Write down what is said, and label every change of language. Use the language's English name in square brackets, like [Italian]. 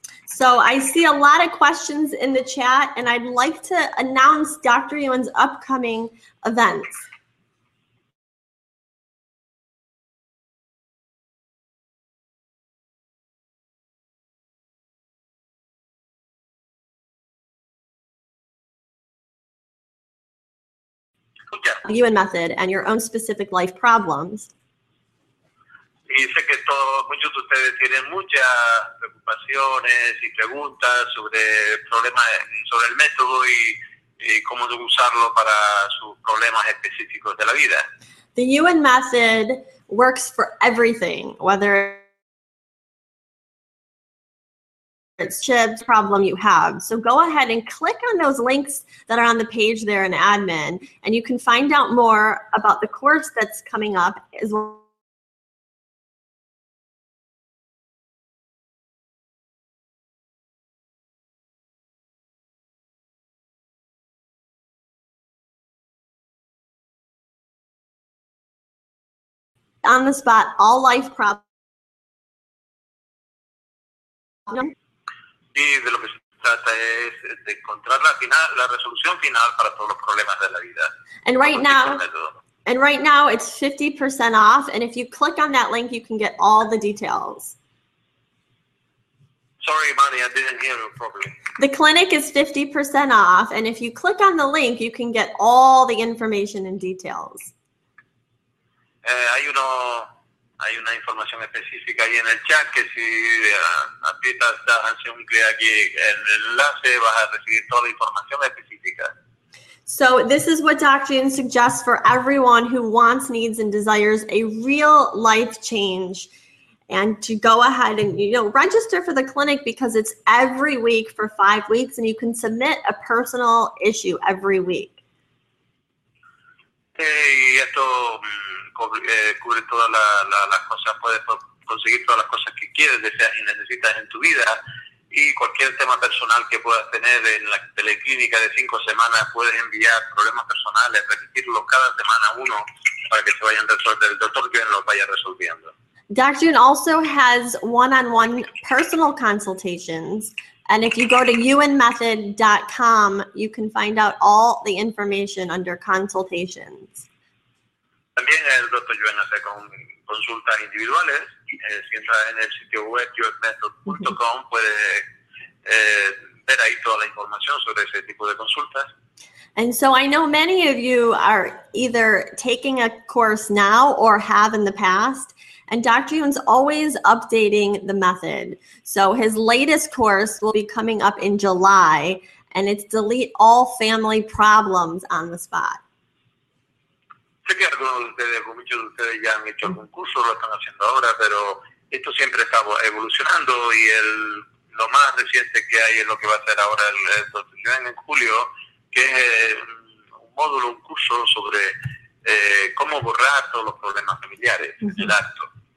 [English] So I see a lot of questions in the chat, and I'd like to announce Dr. Yuan's upcoming events. Yeah. Yuan method and your own specific life problems. [Spanish] Y sé que muchos de ustedes tienen muchas preocupaciones y preguntas sobre problemas sobre el método y cómo usarlo para sus problemas específicos de la vida. [English] The Yuan method works for everything, whether it's chips problem you have. So go ahead and click on those links that are on the page there in admin, and you can find out more about the course that's coming up as well. On the spot, all life problems. [Spanish] Y de lo que se trata es de encontrar la resolución final para todos los problemas de la vida. [English] And right now it's 50% off, and if you click on that link, you can get all the details. Sorry, Manny, I didn't hear you properly. The clinic is 50% off, and if you click on the link, you can get all the information and details. [Spanish] Hay una información específica ahí en el chat que si aprietas, das un clic aquí en el enlace, vas a recibir toda la información específica. [English] So this is what Dr. Yuan suggests for everyone who wants, needs, and desires a real life change. And to go ahead and, you know, register for the clinic because it's every week for 5 weeks and you can submit a personal issue every week. [Spanish] Hey, esto cubre todas las cosas, puedes conseguir todas las cosas que quieres, deseas y necesitas en tu vida, y cualquier tema personal que puedas tener en la teleclínica de 5 semanas, puedes enviar problemas personales, repetirlo cada semana uno para que se vayan resolviendo, el doctor Yuan los vaya resolviendo. [English] Dr. Yuan also has one-on-one personal consultations, and if you go to yuanmethod.com, you can find out all the information under consultations. [Spanish] También el Dr. Yuan hace consultas individuales. Si entras en el sitio web yourmethod.com, puedes ver ahí toda la información sobre ese tipo de consultas. [English] And so I know many of you are either taking a course now or have in the past, and Dr. Yuan's always updating the method. So his latest course will be coming up in July, and it's Delete All Family Problems on the Spot. [Spanish] Sé que muchos de ustedes ya han hecho algún curso, lo están haciendo ahora, pero esto siempre está evolucionando y lo más reciente que hay es lo que va a hacer ahora el doctor Yuan en julio, que es un módulo, un curso sobre cómo borrar todos los problemas familiares en el acto.